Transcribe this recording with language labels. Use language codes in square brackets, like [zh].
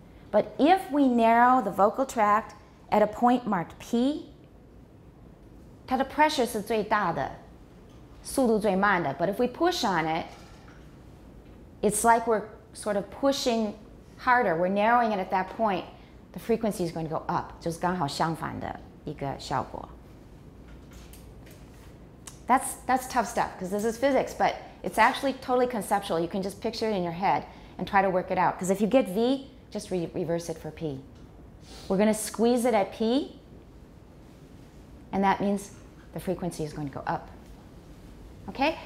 [en] But if we narrow the vocal tract at a point marked P, [zh] 它的 pressure 是最大的，速度最慢的。 [en] But if we push on it, it's like we're sort of pushing harder. We're narrowing it at that point. The frequency is going to go up. [zh] 就是刚好相反的一个效果。 [en] That's tough stuff, because this is physics, but it's actually totally conceptual. You can just picture it in your head and try to work it out. Because if you get V, just reverse it for P. We're going to squeeze it at P, and that means the frequency is going to go up. Okay?